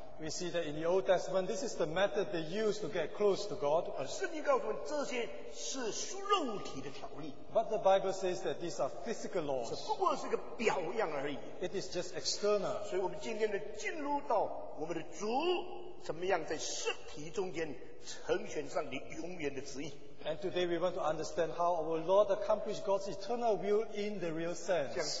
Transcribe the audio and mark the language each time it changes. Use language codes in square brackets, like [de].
[en] We see that in the Old Testament, this is the method they used to get close to God. [zh] 而圣经告诉我们，这些是属肉体的条例。 [en] But the Bible says that these are physical laws. [zh] 只不过是个表样而已。 [en] It is just external. [zh] 所以我们今天呢，进入到我们的主怎么样在肉体中间成全上帝永远的旨意。 [en] And today we want to understand how our Lord accomplished God's eternal will in the real sense.